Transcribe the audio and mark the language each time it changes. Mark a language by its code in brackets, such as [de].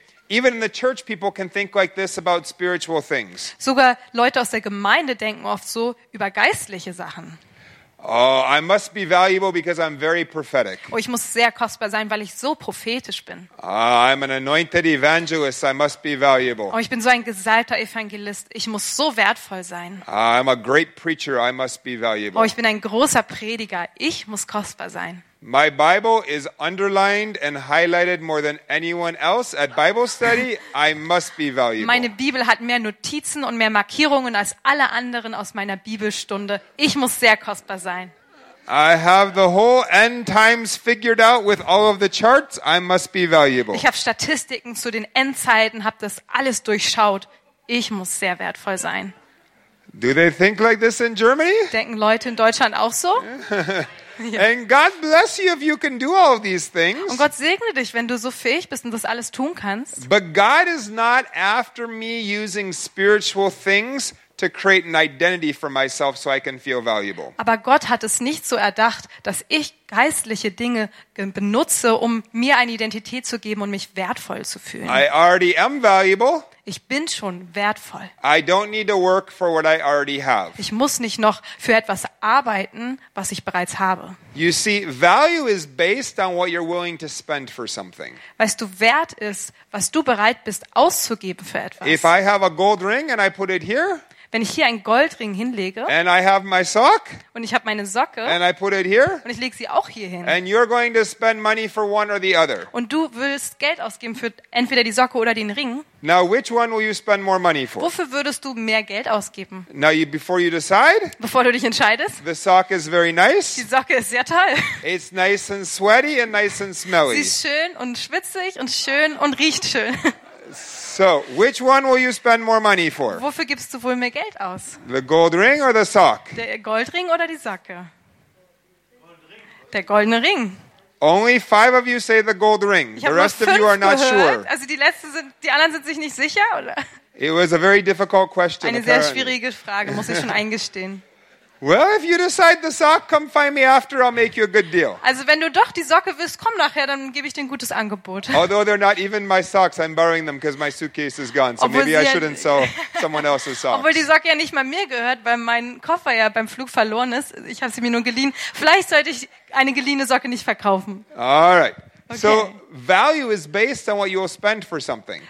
[en] Even in the church, people can think like this about spiritual things. [de] Sogar Leute aus der Gemeinde denken oft so über geistliche Sachen. [en] Oh, I must be valuable because I'm very prophetic. [de] Oh, ich muss sehr kostbar sein, weil ich so prophetisch bin. [en] I'm an anointed evangelist. I must be valuable. [de] Oh, ich bin so ein gesalbter Evangelist. Ich muss so wertvoll sein. [en] I'm a great preacher. I must be valuable. [de] Oh, ich bin ein großer Prediger. Ich muss kostbar sein. [en] My Bible is underlined and highlighted more than anyone else at Bible study. I must be valuable. [de] Meine Bibel hat mehr Notizen und mehr Markierungen als alle anderen aus meiner Bibelstunde. Ich muss sehr kostbar sein. [en] I have the whole end times figured out with all of the charts. I must be valuable. [de] Ich habe Statistiken zu den Endzeiten, habe das alles durchschaut. Ich muss sehr wertvoll sein. [en] Do they think like this in Germany? [de] Denken Leute in Deutschland auch so? Ja. [en] And God bless you if you can do all these things. [de] Und Gott segne dich, wenn du so fähig bist und das alles tun kannst. [en] But God is not after me using spiritual things to create an identity for myself so I can feel valuable. [de] Aber Gott hat es nicht so erdacht, dass ich geistliche Dinge benutze, um mir eine Identität zu geben und mich wertvoll zu fühlen. [en] I already am valuable. [de] Ich bin schon wertvoll. [en] I don't need to work for what I already have. [de] Ich muss nicht noch für etwas arbeiten, was ich bereits habe. [en] You see, value is based on what you're willing to spend for something. [de] Weißt du, Wert ist, was du bereit bist auszugeben für etwas. [en] If I have a gold ring and I put it here, [de] wenn ich hier einen Goldring hinlege, [en] and I have my sock, [de] und ich habe meine Socke, [en] and I put it here, [de] und ich lege sie auch hier hin, [en] and you're going to spend money for one or the other, [de] und du willst Geld ausgeben für entweder die Socke oder den Ring. [en] Now, which one will you spend more money for? [de] Wofür würdest du mehr Geld ausgeben? [en] Now, before you decide, [de] bevor du dich entscheidest, [en] the sock is very nice. [de] Die Socke ist sehr toll. [en] It's nice and sweaty and nice and smelly. [de] Sie ist schön und schwitzig und schön und riecht schön. [en] So, which one will you spend more money for? [de] Wofür gibst du wohl mehr Geld aus? [en] The gold ring or the sock? [de] Der Goldring oder die Socke? Der goldene Ring. [en] Only five of you say the gold ring. The rest of you are not sure. [de] Also die letzten sind, die anderen sind sich nicht sicher, oder? [en] It was a very difficult question. [de] Eine sehr schwierige Frage, muss ich schon eingestehen. [en] Well, if you decide the sock, come find me after. I'll make you a good deal. [de] Also, wenn du doch die Socke willst, komm nachher, dann gebe ich dir ein gutes Angebot. [en] Although they're not even my socks, I'm borrowing them because my suitcase is gone. So [de] obwohl [en] maybe I shouldn't sell someone else's socks. [de] Obwohl die Socke ja nicht mal mir gehört, weil mein Koffer ja beim Flug verloren ist. Ich habe sie mir nur geliehen. Vielleicht sollte ich eine geliehene Socke nicht verkaufen. [en] All right. Okay. So value is based on what you will spend for something.